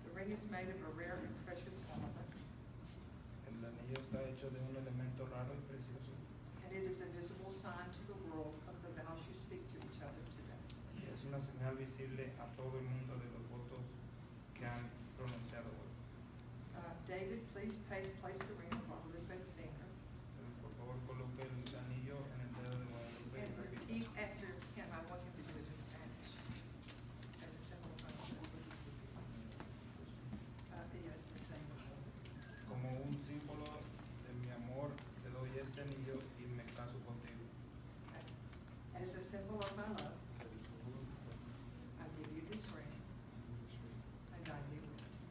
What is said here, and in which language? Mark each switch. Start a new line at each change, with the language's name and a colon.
English: Is made of a rare and precious element.
Spanish: El anillo está hecho de un elemento raro y precioso.
English: And it is a visible sign to the world of the vows you speak to each other today.
Spanish: Es una señal visible a todo el mundo de los votos que han pronunciado hoy.
English: David, please place the ring on Lupe's finger.
Spanish: Por favor, coloque el anillo en el dedo de Lupe.
English: And repeat after him. I want him to do it in Spanish. As a symbol of my love, I give you this ring, and I give it.